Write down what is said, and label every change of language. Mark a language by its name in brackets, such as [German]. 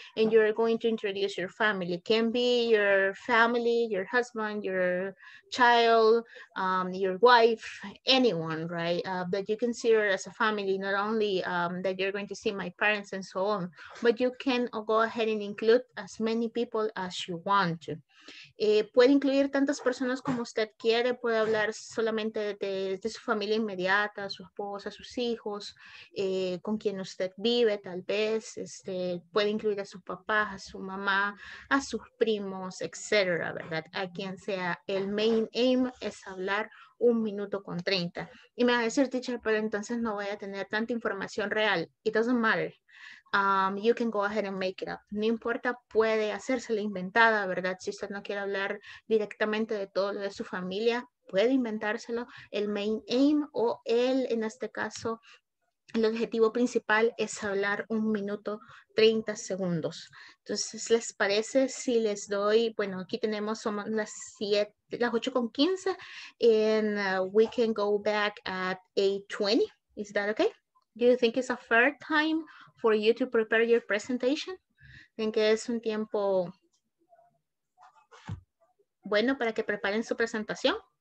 [English] And you're going to introduce your family. It can be your family, your husband, your child, your wife, anyone, right? That you consider as a family, not only that you're going to see my parents and so on, but you can go ahead and include as many people as you want to. [Spanish] Puede incluir tantas personas como usted quiere, puede hablar solamente de su familia inmediata, su esposa, sus hijos, con quien usted vive tal vez, puede incluir a sus papás, a su mamá, a sus primos, etcétera, ¿verdad? A quien sea. El main aim es hablar 1 minuto con 30. Y me va a decir, teacher, pero entonces no voy a tener tanta información real. [English] It doesn't matter. You can go ahead and make it up. [Spanish] No importa, puede hacerse la inventada, ¿verdad? Si usted no quiere hablar directamente de todo lo de su familia, puede inventárselo. El main aim o el, en este caso, el objetivo principal es hablar 1 minuto 30 segundos. Entonces, ¿les parece si les doy? Bueno, aquí tenemos, somos las 8 con 15. [English] And we can go back at 8:20. Is that okay? Do you think it's a fair time for you to prepare your presentation? [Spanish] ¿Creen que es un tiempo bueno para que preparen su presentación?